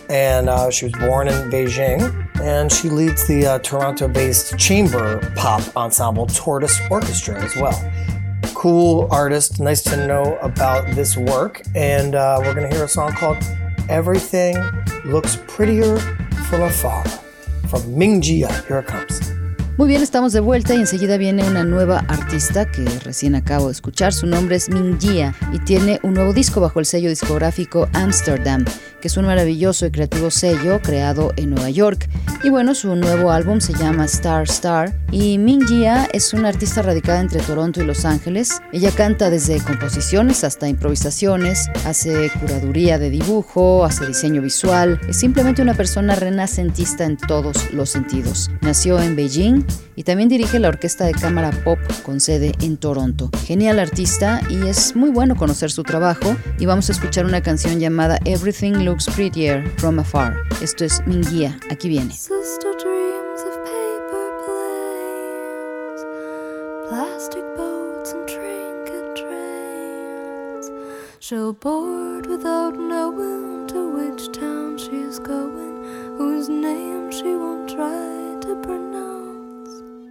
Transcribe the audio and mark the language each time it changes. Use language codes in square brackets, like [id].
[en] And she was born in Beijing, and she leads the Toronto-based chamber pop ensemble Tortoise Orchestra as well. Cool artist, nice to know about this work. And we're gonna hear a song called Everything Looks Prettier From Afar from Mingjia. Here it comes. [es] Muy bien, estamos de vuelta y enseguida viene una nueva artista que recién acabo de escuchar. Su nombre es Mingjia y tiene un nuevo disco bajo el sello discográfico Amsterdam, que es un maravilloso y creativo sello creado en Nueva York. Y bueno, su nuevo álbum se llama Star Star. Y Mingjia es una artista radicada entre Toronto y Los Ángeles. Ella canta desde composiciones hasta improvisaciones, hace curaduría de dibujo, hace diseño visual. Es simplemente una persona renacentista en todos los sentidos. Nació en Beijing y también dirige la Orquesta de Cámara Pop con sede en Toronto. Genial artista y es muy bueno conocer su trabajo, y vamos a escuchar una canción llamada Everything Looks Prettier From Afar. Esto es Minguia, aquí viene. [en] Sister dreams of paper planes, plastic boats and trinket trains. She'll board without knowing to which town she's going, whose name she won't try to pronounce.